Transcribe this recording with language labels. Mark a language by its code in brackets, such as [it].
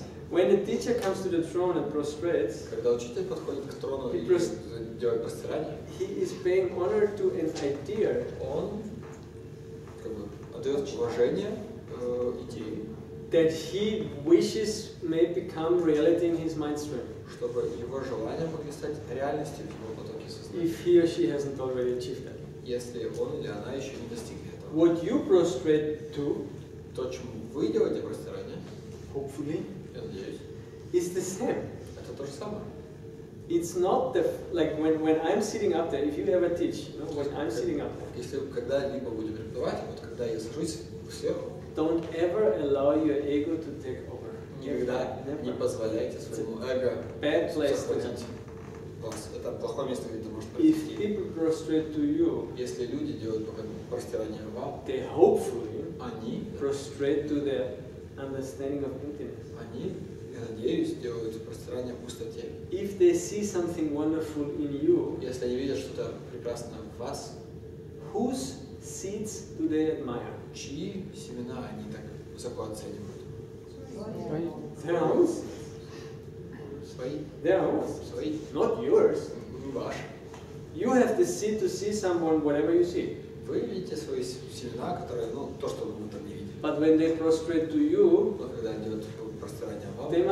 [en] When the teacher comes to the throne and prostrates, [ru] когда учитель подходит к трону и делает пространие, [en] he is paying honor to an idea. [ru] Он как бы отдает уважение идее, [en] that he wishes may become reality in his mindstream. [ru] Чтобы его желания могли стать реальностью в его потоке сознания. [en] If he or she hasn't already achieved that. [ru] Если он или она еще не достигли этого. [en] What you prostrate to? [ru] То, чему вы делаете пространие. [en] Hopefully, [ru] я надеюсь. [en] It's the same. [ru] Это то же самое. [en] It's not the like when I'm sitting up there. If you ever teach, no, when I'm sitting up there. [ru] Если когда-либо будем преподавать, вот когда я сажусь сверху. [en] Don't ever allow your ego to take over. [ru] Никогда не позволяйте своему эго. [en] Bad place to teach. [ru] Это плохое место, где ты можешь [en] пройти. If people prostrate to you, [ru] если люди делают прострирание вам, [en] they hopefully [ru] они [en] prostrate to the understanding of emptiness. [ru] Они, я надеюсь, делают простирание в пустоте. [en] If they see something wonderful in you, [ru] если они видят что-то прекрасное в вас, [en] whose seeds do they admire? [ru] Чьи семена они так высоко оценивают? [en] Their own seeds. [ru] Свои. [en] Their own seeds. [ru] Свои. [en] Not yours. [ru] Ваши. [en] You have the seed to see someone whatever you see. [ru] Вы видите свои семена, которые, ну, то, что вы там не видели. [en] But when they prostrate to you, [ru] но когда они идут в пространие вам,